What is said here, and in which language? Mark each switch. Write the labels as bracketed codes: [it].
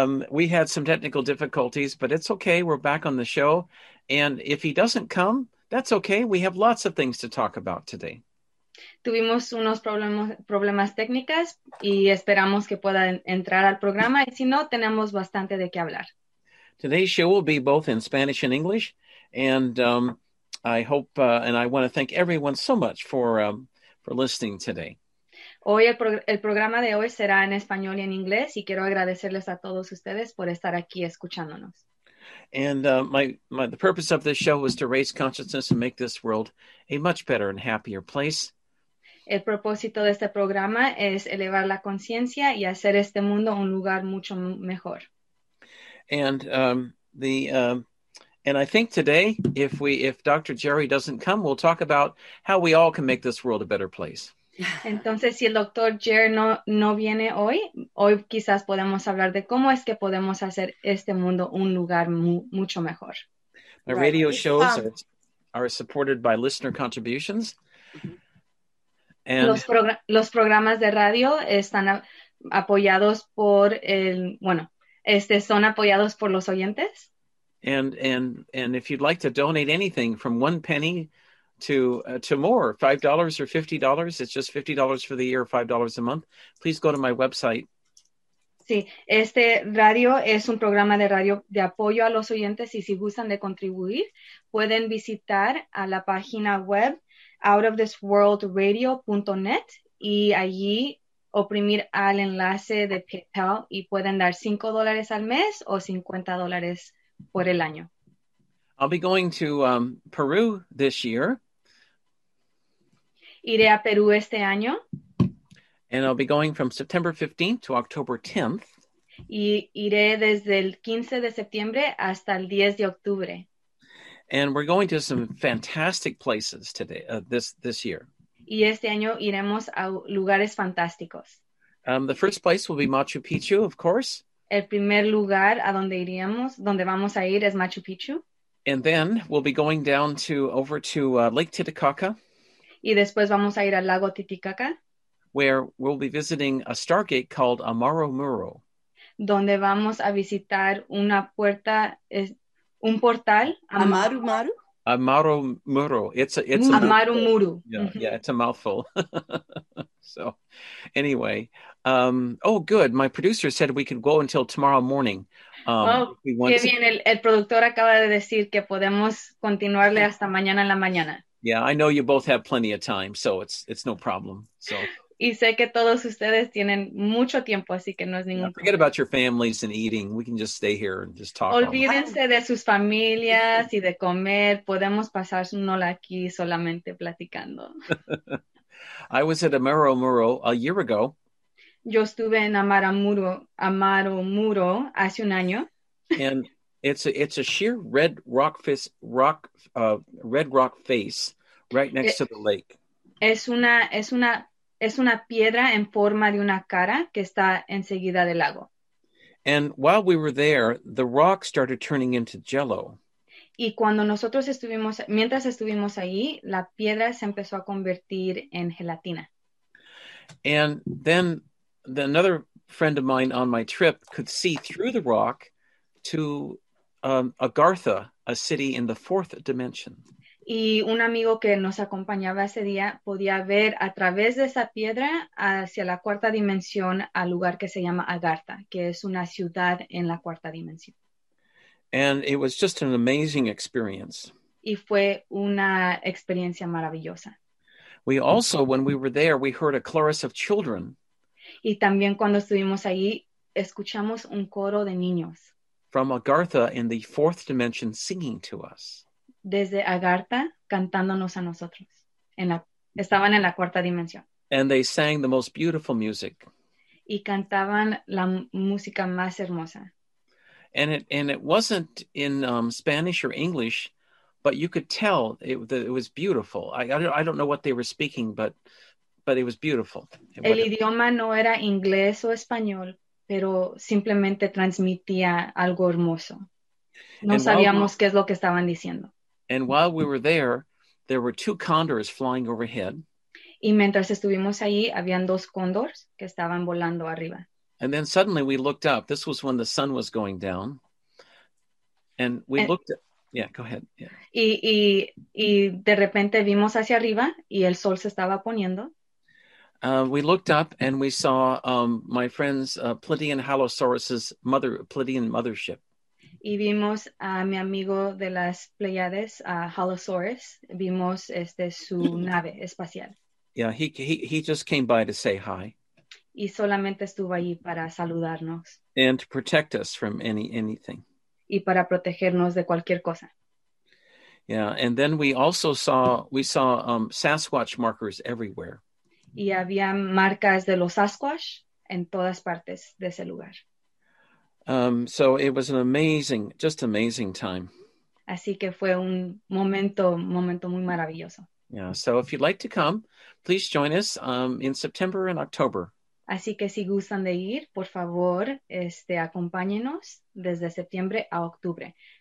[en] We had some technical difficulties, but it's okay. We're back on the show. And if he doesn't come, that's okay. We have lots of things to talk about today. [es] Tuvimos unos problemas técnicas y esperamos que pueda entrar al programa. Y si no, tenemos bastante de qué hablar. [en] Today's show will be both in Spanish and English. And I hope and I want to thank everyone so much for listening today. [es] Hoy el programa de hoy será en español y en inglés. Y quiero agradecerles a todos ustedes por estar aquí escuchándonos. [en] And the purpose of this show was to raise consciousness and make this world a much better and happier place. [es] El propósito de este programa es elevar la conciencia y hacer este mundo un lugar mucho mejor. [en] And I think today, if Dr. Jerry doesn't come, we'll talk about how we all can make this world a better place. [es] Entonces, si el Dr. Jerry no viene hoy quizás podemos hablar de cómo es que podemos hacer este mundo un lugar mucho mejor. [en] My radio shows are supported by listener contributions. [es] And los programas de radio están apoyados por son apoyados por los oyentes. [en] And if you'd like to donate anything from one penny to more, $5 or $50, it's just $50 for the year, $5 a month, please go to my website. [es] Sí, este radio es un programa de radio de apoyo a los oyentes y si gustan de contribuir, pueden visitar a la página web outofthisworldradio.net y allí oprimir al enlace de PayPal y pueden dar $5 al mes o $50 por el año. [en] I'll be going to Peru this year. [es] Iré a Perú este año. [en] And I'll be going from September 15th to October 10th. [es] Y iré desde el 15 de septiembre hasta el 10 de octubre. [en] And we're going to some fantastic places today, this year. [es] Y este año iremos a lugares fantásticos. [en] The first place will be Machu Picchu, of course. [es] El primer lugar a donde iríamos, donde vamos a ir, es Machu Picchu. [en] And then we'll be going down to over to Lake Titicaca. [es] Y después vamos a ir al lago Titicaca. [en] Where we'll be visiting a stargate called Amaro Muro. [es] Donde vamos a visitar una puerta, un portal. [en] Amaro Muro? Amaro Muro. It's Amaro Muro. Yeah, it's a mouthful. So, anyway. Good. My producer said we could go until tomorrow morning. [es] El productor acaba de decir que podemos continuarle hasta mañana en la mañana. [en] Yeah, I know you both have plenty of time, so it's no problem. So. [es] Y sé que todos ustedes tienen mucho tiempo, así que no es ningún problema. [en] Forget about your families and eating. We can just stay here and just talk. [es] Olvídense de sus familias y de comer. Podemos pasárnosla aquí solamente platicando. [en] I was at Amaro Muro a year ago. [es] Yo estuve en Amaro Muro hace un año. [en] And It's a sheer red rock face right next to the lake. [es] Es una piedra en forma de una cara que está enseguida del lago. [en] And while we were there, the rock started turning into jello. [es] Y cuando nosotros estuvimos, mientras estuvimos allí, la piedra se empezó a convertir en gelatina. [en] And then another friend of mine on my trip could see through the rock to Agartha, a city in the fourth dimension. [es] Y un amigo que nos acompañaba ese día podía ver a través de esa piedra hacia la cuarta dimensión al lugar que se llama Agartha, que es una ciudad en la cuarta dimensión. [en] And it was just an amazing experience. [es] Y fue una experiencia maravillosa. [en] We also, when we were there, we heard a chorus of children. [es] Y también cuando estuvimos ahí, escuchamos un coro de niños. [en] From Agartha in the fourth dimension singing to us. [es] Desde Agartha cantándonos a nosotros. Estaban en la cuarta dimensión. [en] And they sang the most beautiful music. [es] Y cantaban la música más hermosa. [en] And it wasn't in Spanish or English, but you could tell it was beautiful. I don't know what they were speaking, but it was beautiful. [es] El idioma no era inglés o español, pero simplemente transmitía algo hermoso. No sabíamos qué es lo que estaban diciendo. [en] And while we were there, there were two condors flying overhead. [es] Y mientras estuvimos ahí, habían dos cóndores que estaban volando arriba. [en] And then suddenly we looked up. This was when the sun was going down. And go ahead. Yeah. [es] Y de repente vimos hacia arriba y el sol se estaba poniendo. [en] We looked up and we saw my friend's Plitian Halosaurus's mother, Plitian mothership. [es] Y vimos a mi amigo de las Pleiades, Halosaurus. Vimos su nave espacial. [en] Yeah, he just came by to say hi. [es] Y solamente estuvo allí para saludarnos. [en] And to protect us from anything. [es] Y para protegernos de cualquier cosa. [en] Yeah, and then we also saw Sasquatch markers everywhere. [es] Y había marcas de los Sasquatch en todas partes de ese lugar. [en] So it was an amazing, just amazing time. [es] Así que fue un momento muy maravilloso. [en] Yeah, so if you'd like to come, please join us in September and October. [es] Así que si gustan de ir, por favor, acompáñenos desde septiembre a octubre.